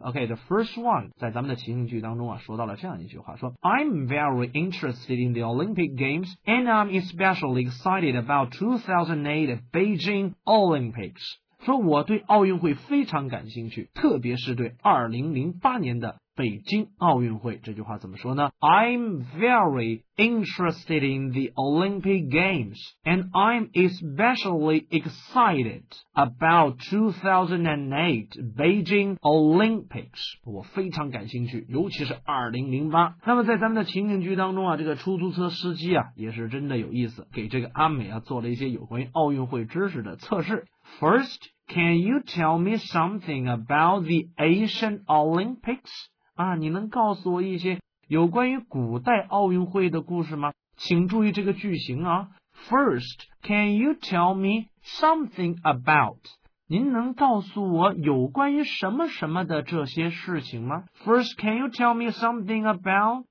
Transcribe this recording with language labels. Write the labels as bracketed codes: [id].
[en] OK，the first one， [zh] 在咱们的情景剧当中啊，说到了这样一句话，说 [en] I'm very interested in the Olympic Games and I'm especially excited about 2008 Beijing Olympics。 [zh] 说我对奥运会非常感兴趣，特别是对2008年的北京奥运会。这句话怎么说呢？ [en] I'm very interested in the Olympic Games and I'm especially excited about 2008 Beijing Olympics。 [zh] 我非常感兴趣，尤其是2008。那么在咱们的情景剧当中啊，这个出租车司机啊也是真的有意思，给这个阿美啊做了一些有关于奥运会知识的测试。 [en] First, can you tell me something about the Asian Olympics? [zh] 啊，你能告诉我一些有关于古代奥运会的故事吗？请注意这个句型啊。 [en] First, can you tell me something about? [zh] 您能告诉我有关于什么什么的这些事情吗？ [en] First, can you tell me something about?